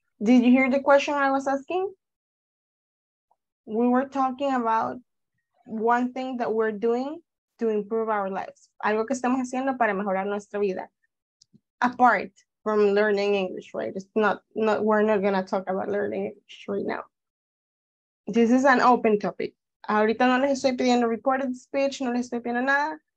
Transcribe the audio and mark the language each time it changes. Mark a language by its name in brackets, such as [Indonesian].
[English] Did you hear the question I was asking? We were talking about one thing that we're doing to improve our lives. [Spanish] Algo que estamos haciendo para mejorar nuestra vida. [English] Apart from learning English, right? It's not we're not going to talk about learning English right now. This is an open topic. [Spanish] Ahorita no les estoy pidiendo [English] recorded speech, [Spanish] no les estoy pidiendo nada.